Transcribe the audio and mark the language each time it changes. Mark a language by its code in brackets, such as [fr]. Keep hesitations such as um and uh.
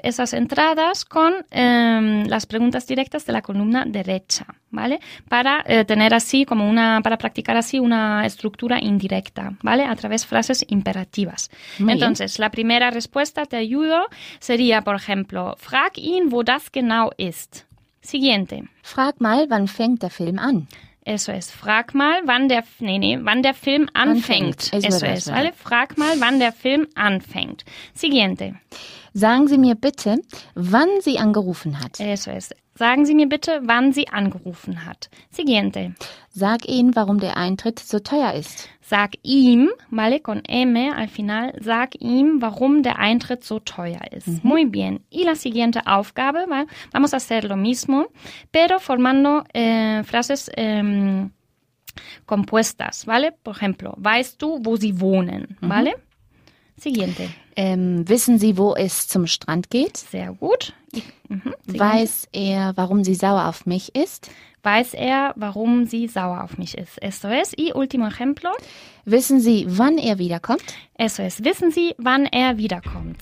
[es] Esas entradas con eh, las preguntas directas de la columna derecha, ¿vale? Para tener así como una, para practicar así una estructura indirecta, ¿vale? A través de frases imperativas. Muy Entonces, bien. la primera respuesta, te ayudo, sería, por ejemplo, [de] frag ihn, wo das genau ist. [es] Siguiente. [de] Frag mal, wann fängt der Film an. SOS. Es. Frag mal, wann der, nee, nee, wann der Film anfängt. anfängt. SOS. Es, Alle, es. frag mal, wann der Film anfängt. [es] Siguiente. [de] Sagen Sie mir bitte, wann sie angerufen hat. SOS. Sagen Sie mir bitte, wann sie angerufen hat. [es] Siguiente. [de] Sag ihnen, warum der Eintritt so teuer ist. Sag ihm, male [es] con M al final, [de] sag ihm, warum der Eintritt so teuer ist. [es] Mhm. Muy bien. Y la siguiente Aufgabe, va, vale, vamos a hacer lo mismo, pero formando äh, frases äh, compuestas, ¿vale? Por ejemplo, [de] weißt du, wo sie wohnen, mhm. [es] ¿vale? [de] Ähm, wissen Sie, wo es zum Strand geht? Sehr gut. Weiß er, warum sie sauer auf mich ist? Weiß er, warum sie sauer auf mich ist? SOS, [es] i último ejemplo. [de] Wissen Sie, wann er wiederkommt? SOS, wissen Sie, wann er wiederkommt?